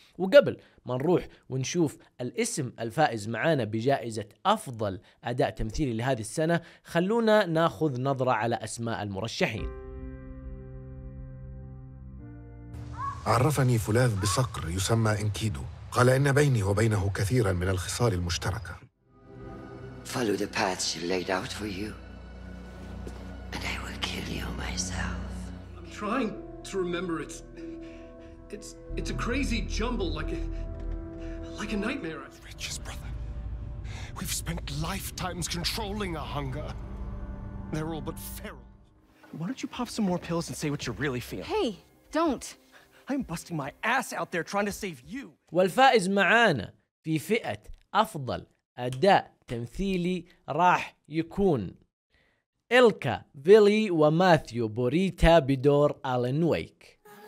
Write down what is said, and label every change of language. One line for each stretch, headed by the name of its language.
Arabic: وقبل ما نروح ونشوف الاسم الفائز معانا بجائزة أفضل أداء تمثيلي لهذه السنة، خلونا ناخذ نظرة على أسماء المرشحين. عرفني فلاذ بصقر يسمى إنكيدو، قال إن بيني وبينه كثيرا من الخصال المشتركة.
English: Follow the path she laid out for you, and I will kill you myself. I'm trying to remember. It's a crazy jumble, like a nightmare. The riches, brother. We've spent lifetimes controlling our hunger. They're all but feral. Why don't you pop some more pills and say what you really feel? Hey, don't. I'm busting my ass out there trying to save you.
Arabic: والفائز معانا في فئة أفضل أداء تمثيلي راح يكون إلكا فيلي وماثيو بوريتا بدور آلان ويك.